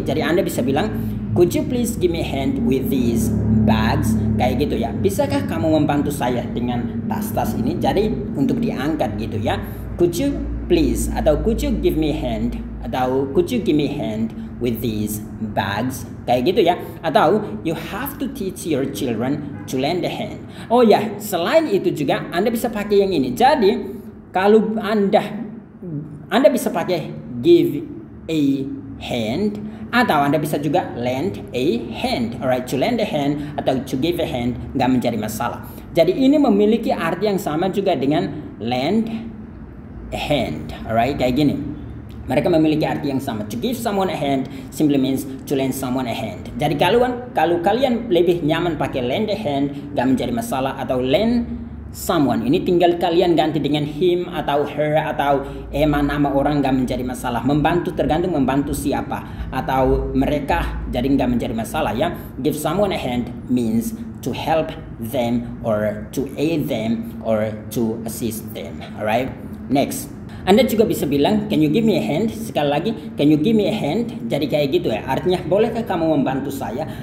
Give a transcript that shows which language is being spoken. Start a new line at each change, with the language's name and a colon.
Indonesian: Jadi Anda bisa bilang,
English: could you please give me a hand with these bags?
Indonesian: Kayak gitu ya. Bisakah kamu membantu saya dengan tas-tas ini? Jadi untuk diangkat gitu ya.
English: Could you please, atau could you give me a hand, atau could you give me a hand with these bags?
Indonesian: Kayak gitu ya.
English: Atau you have to teach your children to lend a hand.
Indonesian: Oh ya, selain itu juga Anda bisa pakai yang ini. Jadi kalau Anda bisa pakai give a hand, atau Anda bisa juga lend a hand.
English: Alright, to lend a hand atau to give a hand
Indonesian: nggak menjadi masalah. Jadi ini memiliki arti yang sama juga dengan lend a hand. Alright, kayak gini. Mereka memiliki arti yang sama.
English: To give someone a hand simply means to lend someone a hand.
Indonesian: Jadi kalau kalian lebih nyaman pakai lend a hand nggak menjadi masalah, atau lend someone, ini tinggal kalian ganti dengan him atau her atau ema, nama orang gak menjadi masalah. Membantu tergantung membantu siapa atau mereka, jadi gak menjadi masalah ya.
English: Give someone a hand means to help them or to aid them or to assist them. Alright, next.
Indonesian: Anda juga bisa bilang,
English: can you give me a hand?
Indonesian: Sekali lagi,
English: can you give me a hand?
Indonesian: Jadi kayak gitu ya, artinya bolehkah kamu membantu saya?